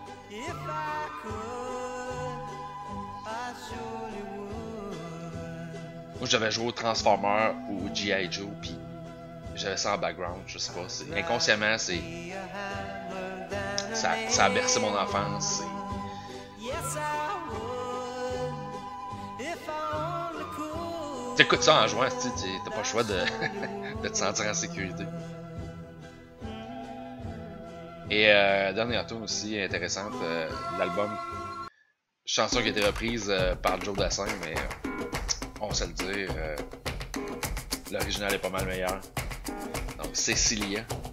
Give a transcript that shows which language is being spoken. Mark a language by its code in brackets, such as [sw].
[en] If I could, I surely would. [fr] Moi, j'avais joué au Transformer ou au G.I. Joe, pis j'avais ça en background, je sais pas. C'est, inconsciemment, c'est. Ça a bercé mon enfance. [en] Yes, I would, if I only could. [fr] T'écoutes ça en jouant, t'as pas le choix de, de te sentir en sécurité. Et dernière tune aussi intéressante, l'album, chanson qui a été reprise par Joe Dassin, mais on sait le dire, l'original est pas mal meilleur. Donc Cecilia.